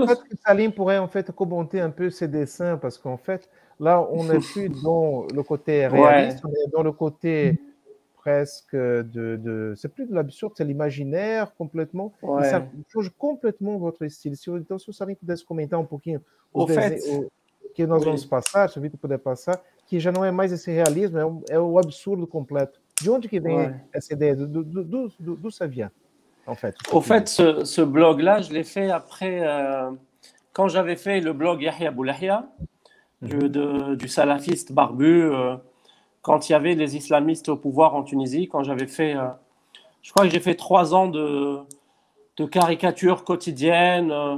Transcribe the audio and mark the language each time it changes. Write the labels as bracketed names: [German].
[French] Peut-être que Salim pourrait en fait commenter un peu ses dessins, parce qu'en fait, là, on n'est plus dans le côté réaliste, ouais. On est dans le côté presque de... C'est plus de l'absurde, c'est l'imaginaire complètement. Ouais. Ça change complètement votre style. Si vous êtes sur Salim, peut-être commenter un pouquinho. Au fait... [Portuguese] que nós vamos passar, se vídeo puder passar, que já não é mais esse realismo, é o absurdo completo. De onde que vem essa ideia? Do Savia, [French] en fait. Au fait, ce blog-là, je l'ai fait après, quand j'avais fait le blog Yahya Boulahia, du salafiste barbu, quand il y avait les islamistes au pouvoir en Tunisie, quand j'avais fait, je crois que j'ai fait 3 ans de caricatures quotidiennes.